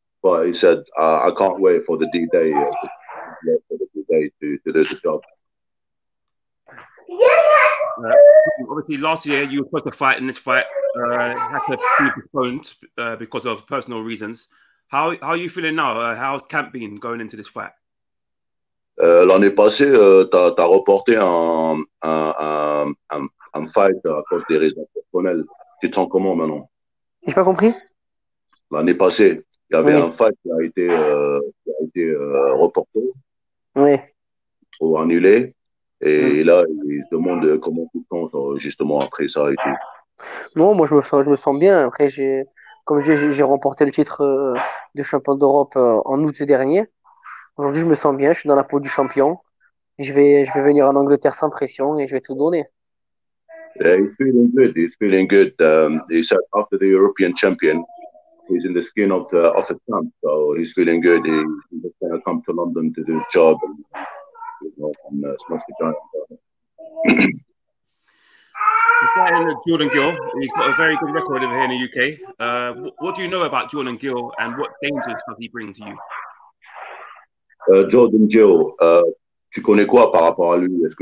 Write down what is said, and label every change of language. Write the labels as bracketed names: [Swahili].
[English] But he said, I can't wait for the D-Day. To do the job. Obviously, last year you were supposed to fight in this fight. Had to be postponed because of personal reasons. How are you feeling now? How's camp been going into this fight? [French] L'année passée, t'as reporté un fight à cause des raisons personnelles. Tu te sens comment maintenant? J'ai pas compris. L'année passée, il y avait un fight qui a été reporté. Oui. Ou annulé. Et là, il se demande comment tu te sens justement après ça et tout. Non, moi, je me sens bien. Après, j'ai remporté le titre de champion d'Europe en août dernier. Aujourd'hui, je me sens bien. Je suis dans la peau du champion. Je vais venir en Angleterre sans pression et je vais tout donner. [English] Yeah, he's feeling good. He's feeling good. He said after the European champion, he's in the skin of the champ. So he's feeling good. He's just going to come to London to do the job. Jordan Gill, he's got a very good record over here in the UK. What do you know about Jordan Gill and what dangers does he bring to you? [French] Jordan Gill, tu connais quoi par rapport à lui?